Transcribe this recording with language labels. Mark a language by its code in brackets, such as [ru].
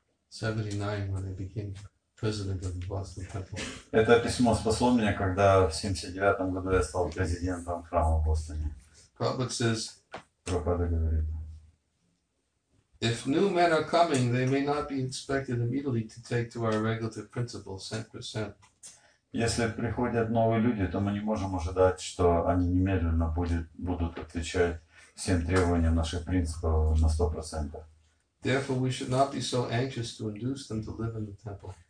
[en] 79, when I became president of the Boston Temple. [ru] Это письмо спасло меня, когда в 79 году я стал президентом храма в Бостоне. [en] Prabhupada says, [ru] Prabhupada говорит, [en] if new men are coming, they may not be expected immediately to take to our regulative principles 100%. [ru] Если приходят новые люди, то мы не можем ожидать, что они немедленно будут отвечать всем требованиям наших принципов на 100%. [en] Therefore, we should not be so anxious to induce them to live in the temple.